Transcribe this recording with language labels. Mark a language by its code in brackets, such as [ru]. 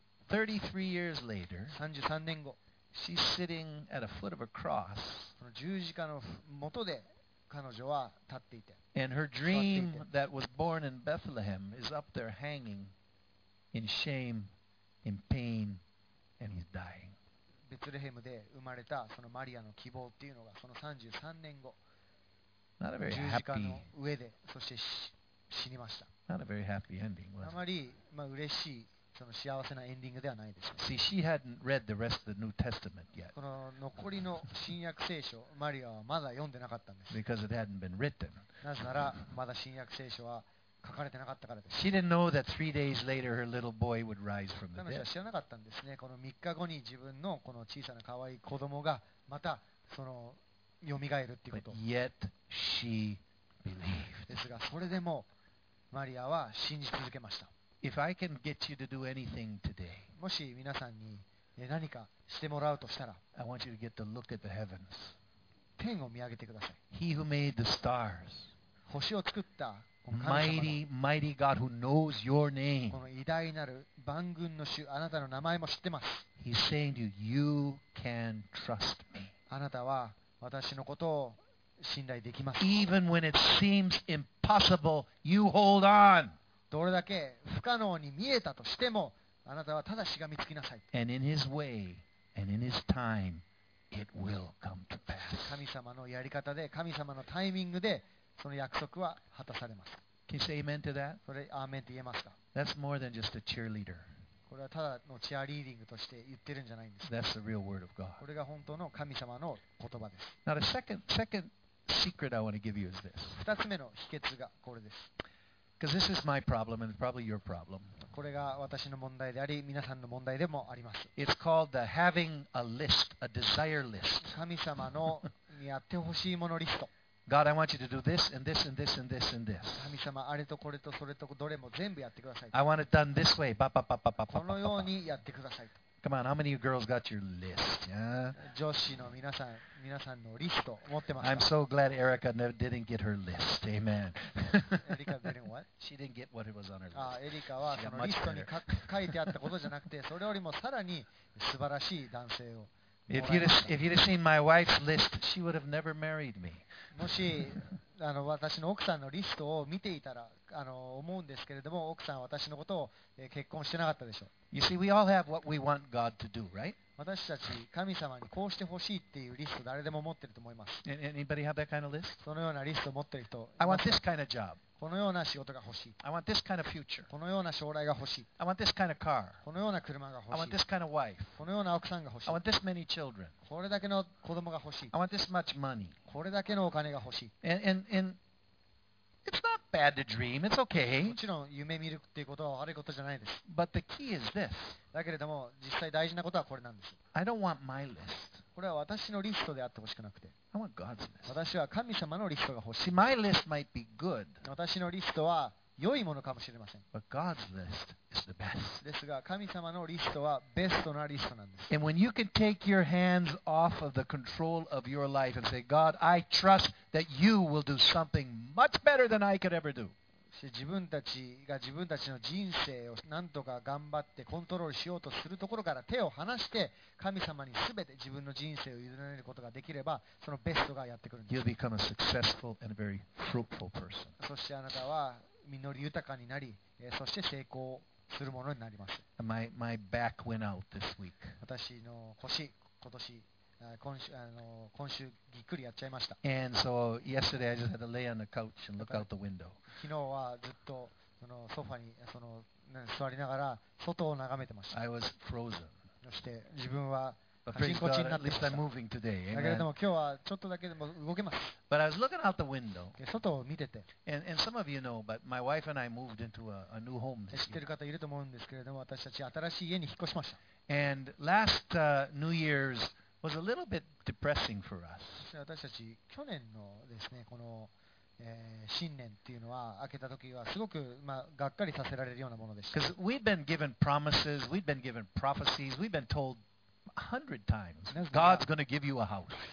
[en] 33 years later, [ja] 33年後、 [en] She's sitting at a foot of a cross. [ja] その十字架の元で彼女は立っていて、 [en] And her dream that was born in Bethlehem is up there hanging in shame, in pain, and he's dying. [ja] ベツレヘムで生まれたそのマリアの希望っていうのがその33年後、十字架の上でそして死にました。 [en] Not a very happy ending, was it? [ja] あまり、まあ、嬉しいその幸せなエンディングではないでしょう。 [en] See, she hadn't read the rest of the New Testament yet. [ja] この残りの新約聖書マリアはまだ読んでなかったんです。 [en] Because it hadn't been written. [ja] なぜならまだ新約聖書は書かれてなかったからです。 [en] She didn't know that three days later her little boy would rise from the dead. [ja] 彼女は知らなかったんですね。この3日後に自分のこの小さな可愛い子供がまたその蘇るっていうこと。 [en] But yet she believed. [ja] ですがそれでもマリアは信じ続けました。 [en] If I can get you to do anything today, [ja] もし皆さんに何かしてもらうとしたら、 [en] I want you to get to look at the heavens. [ja] 天を見上げてください。 [en] He who made the stars. [ja] 星を作った [en] Mighty, mighty God who knows your name. [ja] この偉大なる万軍の主、あなたの名前も知ってます。 [en] He's saying to you, you can trust me. [ja] あなたは私のことを信頼できます。 [en] Even when it seems impossible, you hold on. [ja] どれだけ不可能に見えたとしても、あなたはただしがみつきなさい。 [en] And in His way, and in His time, it will come to pass. [ja] 神様のやり方で、神様のタイミングで。その約束は果たされます。 [en] Can you say amen to that? [ja] それ、アーメンって言えますか? [en] That's more than just a cheerleader. [ja] これはただのチアリーディングとして言ってるんじゃないんです。 [en] That's the real word of God. [ja] これが本当の神様の言葉です。 [en] Now the second secret I want to give you is this. [ja] 二つ目の秘訣がこれです。 [en] Because this is my problem and probably your problem. [ja] これが私の問題であり、皆さんの問題でもあります。 [en] It's called the having a list, a desire list. [ja] 神様のにやってほしいものリスト。 [en] God, I want you to do this and this and this and this and this. [ja] 神様、あれとこれとそれとどれも全部やってください。 [en] I want it done this way. パパパパパパ。 [ja] このようにやってください。 [en] Come on, how many of you girls got your list? Yeah. [ja] 女子の皆さんのリスト持ってますか? [en] I'm so glad Erica never didn't get her list. Amen. Erica didn't what? She didn't get what it was on her list. [ja] あ、エリカはそのリストに書いてあったことじゃなくて、それよりもさらに素晴らしい男性を。 [en] If you'd have seen my wife's list, she would have never married me. [ja] もし私の奥さんのリストを見ていたら思うんですけれども、奥さんは私のことを結婚してなかったでしょう。 [en] You see, we all have what we want God to do, right? [ja] 私たち神様にこうしてほしいっていうリスト誰でも持ってると思います。 [en] Anybody have that kind of list? [ja] そのようなリストを持ってる人。 [en] I want this kind of job. [ja] このような仕事が欲しい。 [en] I want this kind of future. [ja] このような将来が欲しい。 [en] I want this kind of car. [ja] このような車が欲しい。 [en] I want this kind of wife. [ja] このような奥さんが欲しい。 [en] I want this many children. [ja] これだけの子供が欲しい。 [en] I want this much money. [ja] これだけのお金が欲しい。 [en] And it's not bad to dream. It's okay. [ja] もちろん夢見るっていうことは悪いことじゃないです。 [en] But the key is this. [ja] だけれども実際大事なことはこれなんです。 [en] I don't want my list. [ja] これは私のリストであってほしくなくて。 [en] I want God's list. [ja] 私は神様のリストが欲しい。 [en] See, my list might be good. [ja] 私のリストは良いものかもしれません。 [en] But God's list is the best. [ja] ですが神様のリストはベストなリストなんです。 [en] And when you can take your hands off of the control of your life and say, God, I trust that you will do something much better than I could ever do. [ja] 自分たちが自分たちの人生を何とか頑張ってコントロールしようとするところから手を離して神様に全て自分の人生を委ねることができればそのベストがやってくるんです。 [en] You'll become a successful and a very fruitful person. [ja] そしてあなたは実り豊かになり、そして成功するものになります。 [en] My back went out this week. [ja] 私の腰、今週ぎっくりやっちゃいました。 [en] And so yesterday I just had to lay on the couch and look out the window. [ja] 昨日はずっとそのソファにその座りながら外を眺めてました。 [en] I was frozen. [ja] そして自分は心こちになってました。 [en] I'm moving today. [ja] だけれども今日はちょっとだけでも動けます。 [en] But I was looking out the window. [ja] 外を見てて。 [en] And some of you know, but my wife and I moved into a new home. [ja] 知ってる方いると思うんですけれども、私たち新しい家に引っ越しました。 [en] And last New Year'swas a little bit depressing for us. [ja] 私たち去年のですね、この、新年っていうのは開けた時はすごく、まあ、がっかりさせられるようなものでした。 [en] Because we've been given promises, we've been given prophecies, we've been told 100 times, God's going to give you a house.